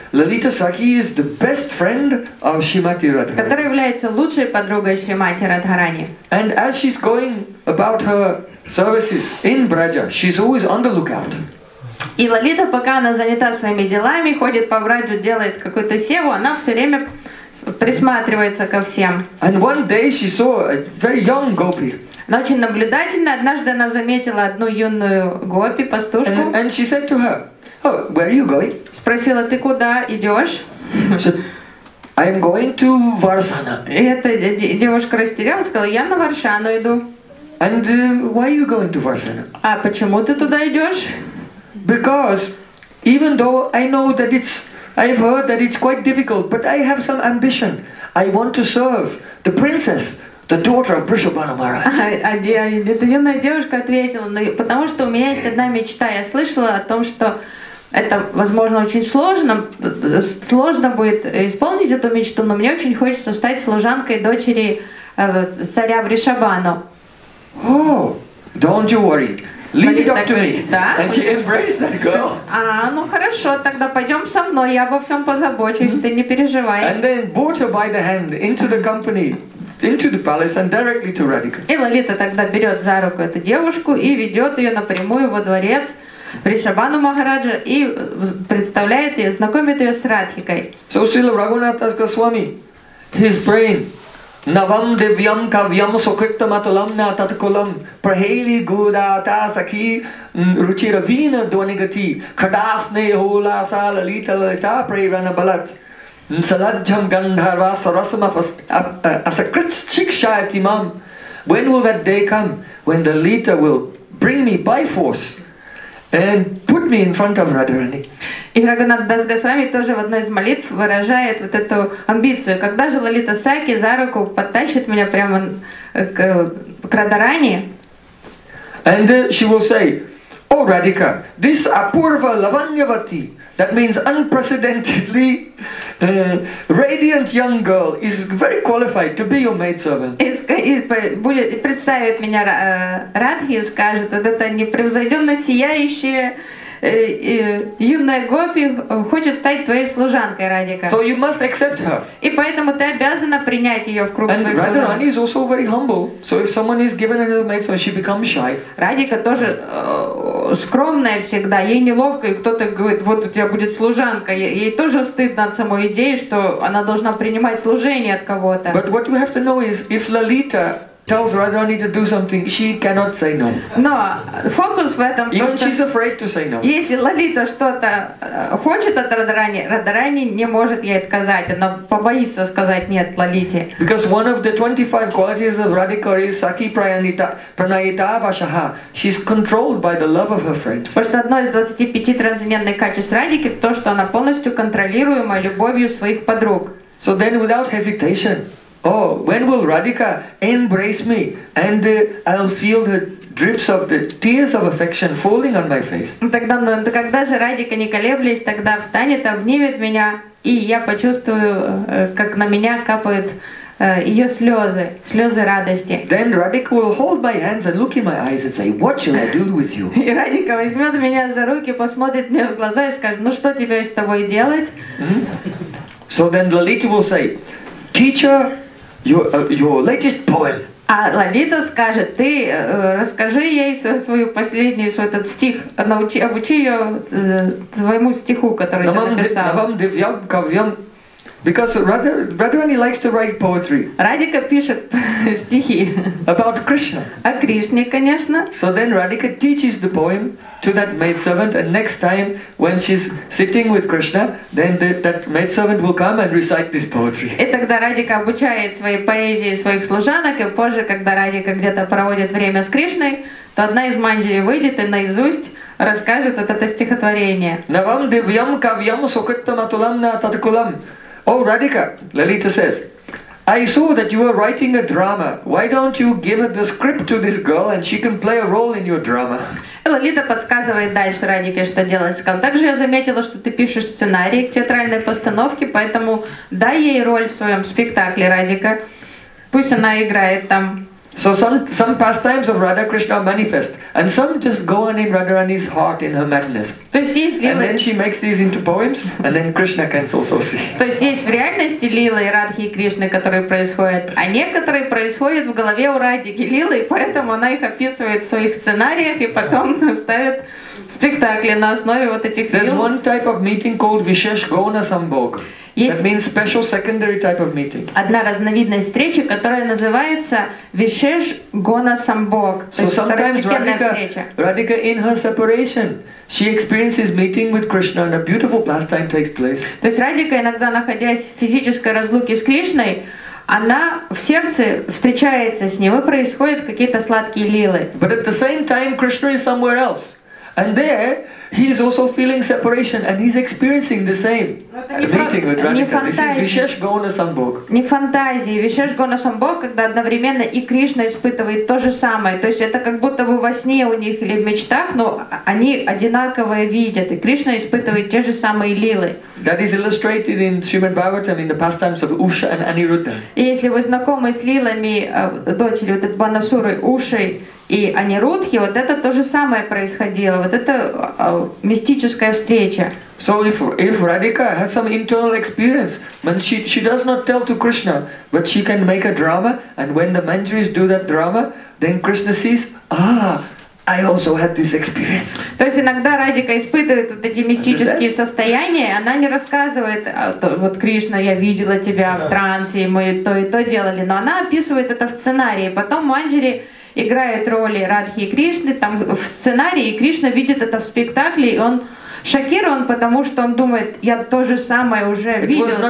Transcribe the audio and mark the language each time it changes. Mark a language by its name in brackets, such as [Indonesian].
[English] Lalita Sakhi is the best friend of Shrimati Radharani. [Russian] Которая является лучшей подругой Шримати Радхарани. [English] And as she's going about her services in Braja, she's always on the lookout. [Russian] И Лалита, пока она занята своими делами, ходит по Браджу, делает какую-то севу, она все время присматривается ко всем. [English] And one day she saw a very young gopi. [Russian] Она очень наблюдательна. Однажды она заметила одну юную гопи, пастушку. [English] And she said to her, "Oh, where are you going?" [Russian] Спросила, ты куда идешь? [English] I am going to Varsana. [Russian] И эта девушка растерялась, сказала, я на Варшану иду. [English] And why are you going to Varsana? [Russian] А почему ты туда идешь? [English] Because even though I know that I've heard that it's quite difficult, but I have some ambition. I want to serve the princess, the daughter of Vrishabhanu Maharaj. [Russian] Эта юная девушка ответила, потому что у меня есть одна мечта. Я слышала о том, что это, возможно, очень сложно будет исполнить эту мечту, но мне очень хочется стать служанкой дочери царя Вришабану. [English] Oh, don't you worry. leave it up to me. And she embraced that girl. [Russian] Ну хорошо, тогда пойдем со мной, я обо всем позабочусь, ты не переживай. [English] And then brought her by the hand into the company. Into the palace and directly to Radhika. [Russian] И Лолита тогда берет за руку эту девушку и ведет ее напрямую во дворец Вришабану Махараджа и представляет ее, знакомит ее с Радхикой. [English] So Srila Raghunatha Goswami, his brain, [Sanskrit] Navam Devyam Kavyam Sukritam Atulam Natatkulam Prahali Gudata Sakhi Ruchiravina Dwanigati Kadasne Holasa Lalita Lalita Prairana Balat Salajam Gandharva Sarasama Asakrit Shikshayati Mam. [English] When will that day come when the Lita will bring me by force and put me in front of Radharani? [Russian] И Рагунатх Дас Госвами тоже в одной из молитв выражает вот эту амбицию. Когда же Лалита Саки за руку подтащит меня прямо к Радарани? [English] And she will say, O Radhika, this Apurva Lavanyavati, that means unprecedentedly radiant young girl, is very qualified to be your maidservant. [Russian] И представит меня Радхи и скажет, вот это непревзойденно сияющее юная гопи хочет стать твоей служанкой, Радика. [English] So you must accept her. [Russian] И поэтому ты обязана принять ее в круг своих служанок. [English] And Radharani is also very humble. So if someone is given her maidservant, she becomes shy. [Russian] Радика тоже скромная всегда, ей неловко, и кто-то говорит, вот у тебя будет служанка. Ей тоже стыдно от самой идеи, что она должна принимать служение от кого-то. [English] But what you have to know is, if Lalita tells Radharani to do something, she cannot say no. [Russian] Но фокус в этом, [English] even [Russian] то, [English] she's afraid to say no. [Russian] Если Лолита что-то хочет от Радарани, Радарани не может ей отказать, она побоится сказать нет Лолите. [English] Because one of the 25 qualities of Radhika is Sakhi Pranayita Vashaha. She's controlled by the love of her friends. [Russian] Потому что одно из 25 трансцендентных качеств Радики то, что она полностью контролируема любовью своих подруг. [English] So then without hesitation, oh, when will Radhika embrace me and I'll feel the drips of the tears of affection falling on my face? [Russian] Тогда, ну, когда же Радика, не колеблясь, тогда встанет, обнимет меня, и я почувствую, как на меня капают ее слезы, слезы радости. [English] Then Radhika will hold my hands and look in my eyes and say, "What shall I do with you?" [Russian] И Радика возьмет меня за руки, посмотрит мне в глаза и скажет, "Ну что тебе с тобой делать?" Mm-hmm. [English] So then Lalita will say, "Teacher, your latest poem." [Russian] А Лолита скажет, ты расскажи ей свою последнюю, свой этот стих, научи, обучи ее твоему стиху, который ты написал. [Sanskrit] Навам дивьям кавьям. [English] Because Radharani likes to write poetry. [Russian] Радика пишет стихи. [English] About Krishna. [Russian] О Кришне, конечно. [English] So then Radhika teaches the poem to that maidservant, and next time when she's sitting with Krishna, then that maidservant will come and recite this poetry. [Russian] И тогда Радика обучает своей поэзии своих служанок, и позже, когда Радика где-то проводит время с Кришной, то одна из манджари выйдет и наизусть расскажет это стихотворение. [Sanskrit] Навам дивьям кавьям сукриттам атулам на таткулам. [English] Oh, Radhika, Lalita says, I saw that you were writing a drama. Why don't you give the script to this girl and she can play a role in your drama? [Russian] Лолита подсказывает дальше Радике, что делать. Также я заметила, что ты пишешь сценарий к театральной постановке, поэтому дай ей роль в своем спектакле, Радика. Пусть она играет там. [English] So some pastimes of Radha Krishna manifest, and some just go on in Radharani's heart in her madness. [Russian] То есть есть лилы. [English] And then she makes these into poems, and then Krishna can also see. [Russian] То есть есть в реальности лилы и Радхи и Кришны, которые происходят, а некоторые происходят в голове у Радхики лилы, и поэтому она их описывает в своих сценариях и потом ставит в спектакле на основе вот этих лил. [English] There's one type of meeting called Vishesh Gona Sambhog. That means special secondary type of meeting. [Russian] Одна разновидность встречи, которая называется Vishesh Gona Sambhog. [English] So sometimes Radhika, in her separation, she experiences meeting with Krishna, and a beautiful pastime takes place. [Russian] То есть Радика иногда, находясь в физической разлуке с Кришной, она в сердце встречается с ним, и происходят какие-то сладкие лилы. [English] But at the same time, Krishna is somewhere else, and there he is also feeling separation, and he's experiencing the same meeting with Radhika. This is Vishesh Gona Sambhog. [Russian] Не фантазии, Vishesh Gona Sambhog, когда одновременно и Кришна испытывает то же самое. То есть это как будто бы во сне у них или в мечтах, но они одинаковое видят, и Кришна испытывает те же самые лилы. [English] That is illustrated in Srimad Bhagavatam in the pastimes of Usha and Aniruddha. [Russian] И если вы знакомы с лилами дочери вот этой Банасуры Ушей И Анирудхи, вот это то же самое происходило, вот это мистическая встреча. [English] So if Radhika has some internal experience, when she does not tell to Krishna, but she can make a drama, and when the Manjaris do that drama, then Krishna sees, I also had this experience. [Russian] То есть иногда Радика испытывает вот эти мистические состояния, она не рассказывает, вот Кришна, я видела тебя в трансе, мы то и то делали, но она описывает это в сценарии, потом Манджари играет роли Радхи и Кришны там в сценарии, и Кришна видит это в спектакле, и он шокирован, потому что он думает, я то же самое уже видел.